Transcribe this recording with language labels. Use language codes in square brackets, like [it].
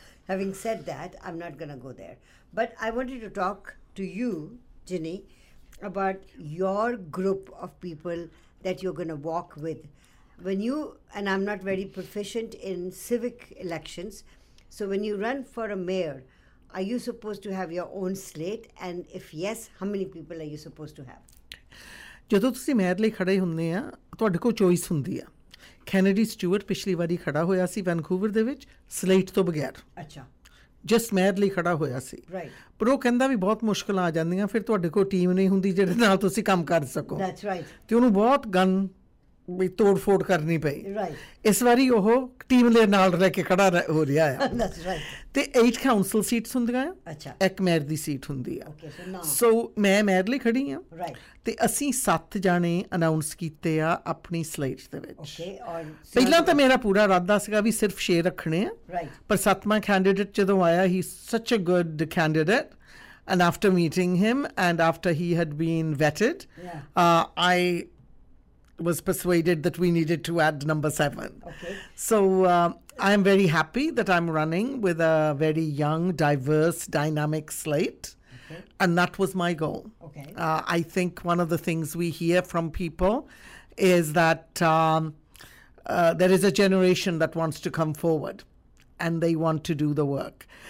[en] Having said that I am not gonna go there but I wanted to talk to you ਜਿਨੀ about your group of people that you are gonna walk with when you and I am not very proficient in civic elections so when you run for a mayor Are you supposed to have your own slate? And if yes, how many people are you supposed to have? [pa] ਜਦੋਂ ਤੁਸੀਂ mayor ਲਈ ਖੜ੍ਹੇ ਹੁੰਦੇ ਆ ਤੁਹਾਡੇ ਕੋਲ choice ਹੁੰਦੀ ਆ ਕੈਨੇਡੀ ਸਟਿਊਅਰਟ ਪਿਛਲੀ ਵਾਰੀ ਖੜ੍ਹਾ ਹੋਇਆ ਸੀ ਵੈਨਕੂਵਰ ਦੇ ਵਿੱਚ ਸਲੇਟ ਤੋਂ ਬਗੈਰ ਅੱਛਾ ਜਸਟ ਮੇਅਰ ਲਈ ਖੜ੍ਹਾ ਹੋਇਆ ਸੀ [en] right [pa] ਪਰ ਉਹ ਕਹਿੰਦਾ ਵੀ ਬਹੁਤ ਮੁਸ਼ਕਲਾਂ ਆ ਜਾਂਦੀਆਂ ਫਿਰ ਤੁਹਾਡੇ ਕੋਲ ਟੀਮ ਨਹੀਂ ਹੁੰਦੀ ਜਿਹਦੇ ਨਾਲ ਤੁਸੀਂ ਕੰਮ ਕਰ ਸਕੋ [en] that's right [pa] ਅਤੇ ਉਹਨੂੰ ਬਹੁਤ ਗਨ ਵੀ ਤੋੜ ਫੋੜ ਕਰਨੀ ਪਈ [en] right [pa] ਇਸ ਵਾਰੀ ਉਹ ਟੀਮ ਦੇ ਨਾਲ ਰਹਿ ਕੇ ਖੜ੍ਹਾ ਹੋ ਰਿਹਾ ਆ ਅਤੇ 8 ਕਾਉਂਸਲ ਸੀਟਸ ਹੁੰਦੀਆਂ ਆ ਅੱਛਾ ਇੱਕ ਮੇਅਰ ਦੀ ਸੀਟ ਹੁੰਦੀ ਆ ਸੋ ਮੈਂ ਮੇਅਰ ਲਈ ਖੜ੍ਹੀ ਹਾਂ ਅਤੇ ਅਸੀਂ 7 ਜਾਣੇ ਅਨਾਊਂਸ ਕੀਤੇ ਆ ਆਪਣੀ ਸਲੇਟ ਦੇ ਵਿੱਚ ਪਹਿਲਾਂ ਤਾਂ ਮੇਰਾ ਪੂਰਾ ਇਰਾਦਾ ਸੀਗਾ ਵੀ ਸਿਰਫ 6 ਰੱਖਣੇ ਆ ਪਰ 7ਵਾਂ ਕੈਂਡੀਡੇਟ ਜਦੋਂ ਆਇਆ ਹੀ [en] Such a good candidate and after meeting him and after he had been vetted I was persuaded that we needed to add number 7. Okay. So I am very happy that I'm running with a very young, diverse, dynamic slate. Okay. And that was my goal. Okay. I think one of the things we hear from people is that there is a generation that wants to come forward and they want to do the work.